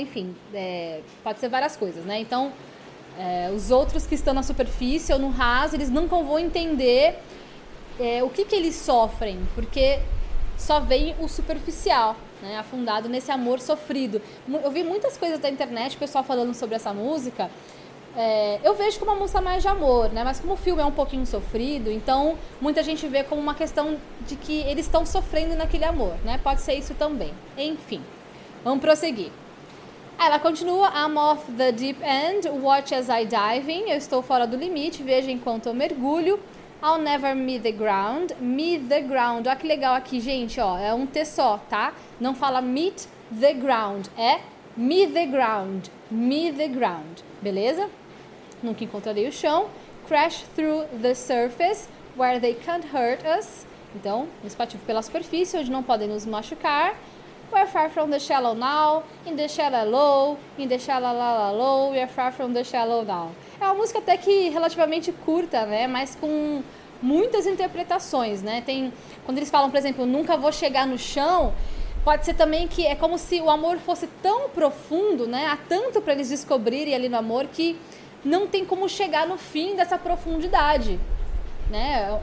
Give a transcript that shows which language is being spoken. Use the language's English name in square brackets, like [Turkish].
[Portuguese] Enfim, pode ser várias coisas, né? Então, os outros que estão na superfície ou no raso, eles nunca vão entender o que que eles sofrem, porque só vem o superficial, né, afundado nesse amor sofrido. Eu vi muitas coisas da internet, o pessoal falando sobre essa música. Eu vejo como uma música mais de amor, né? Mas como o filme é um pouquinho sofrido, então muita gente vê como uma questão de que eles estão sofrendo naquele amor, né? Pode ser isso também. Enfim, vamos prosseguir. Ela continua: [English] I'm off the deep end, watch as I diving. [Portuguese] Eu estou fora do limite, veja enquanto eu mergulho. [English] I'll never meet the ground. Meet the ground. [Portuguese] Olha que legal aqui, gente. Ó, é um T só, tá? Não fala [English] meet the ground. [Portuguese] É meet the ground. [English] Meet the ground. [Portuguese] Beleza? Nunca encontrarei o chão. [English] Crash through the surface where they can't hurt us. [Portuguese] Então, eles partem pela superfície onde não podem nos machucar. [English] We're far from the shallow now. In the shallow low. In the shallow la la low. We're far from the shallow now. [Portuguese] É uma música até que relativamente curta, né? Mas com muitas interpretações, né? Tem, quando eles falam, por exemplo, nunca vou chegar no chão, pode ser também que é como se o amor fosse tão profundo, né? Há tanto para eles descobrirem ali no amor que não tem como chegar no fim dessa profundidade, né?